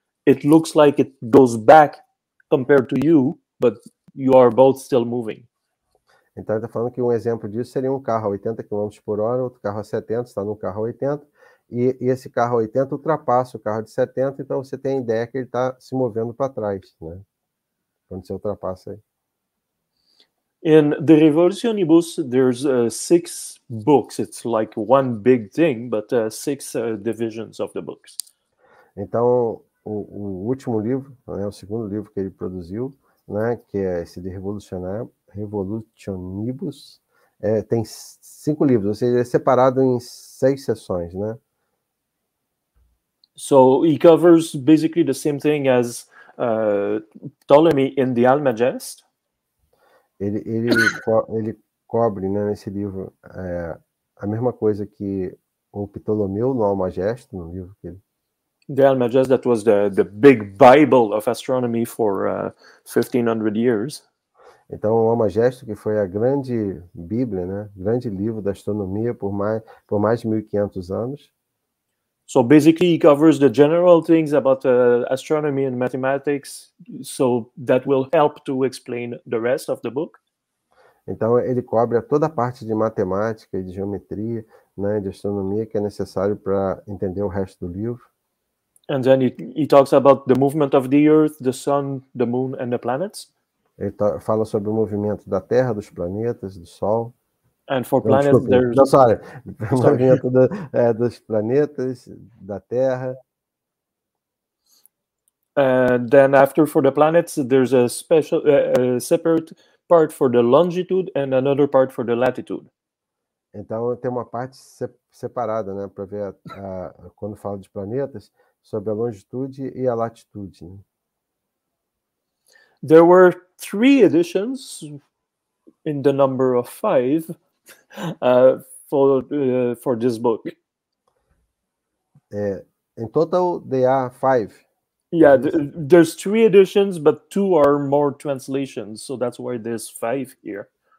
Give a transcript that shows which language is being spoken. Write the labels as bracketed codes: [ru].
[en] It looks like it goes back compared to you, but you are both still moving. [pt] Então, ele está falando que um exemplo disso seria um carro a 80 km por hora, outro carro a 70, está no carro a 80, e esse carro a 80 ultrapassa o carro de 70, então você tem a ideia que ele está se movendo para trás, né? Quando você ultrapassa aí. [en] In the Revolutionibus, there's six books. It's like one big thing, but six divisions of the books. [pt] Então, o último livro, né, o segundo livro que ele produziu, né, que é esse de Revolutionibus, tem cinco livros, ou seja, é separado em seis sessões, né? [en] So he covers basically the same thing as Ptolemy in the Almagest. [pt] Ele cobre, né, nesse livro a mesma coisa que o Ptolomeu no Almagest, no livro que ele... [en] The Almagest, that was the big Bible of astronomy for 1500 years. [pt] Então, o Almagest, que foi a grande Bíblia, né, grande livro da astronomia por mais de 1500 anos. [en] So basically he covers the general things about astronomy and mathematics, so that will help to explain the rest of the book. [pt] Então ele cobre toda a parte de matemática e de geometria, né, de astronomia que é necessário para entender o resto do livro. [en] And then he talks about the movement of the earth, the sun, the moon and the planets. [pt] Ele fala sobre o movimento da Terra, dos planetas, do Sol. [en] And for planets, there's... [pt] Não, sorry. O movimento dos planetas, da Terra. [en] Then after for the planets, there's a special, a separate part for the longitude and another part for the latitude. [pt] Então, tem uma parte separada, né, para ver quando fala de planetas, sobre a longitude e a latitude. Né? [en] There were three editions in the number of five. For this book. In total, they are five. Yeah, there's three editions, but two are more translations, so that's why there's five here.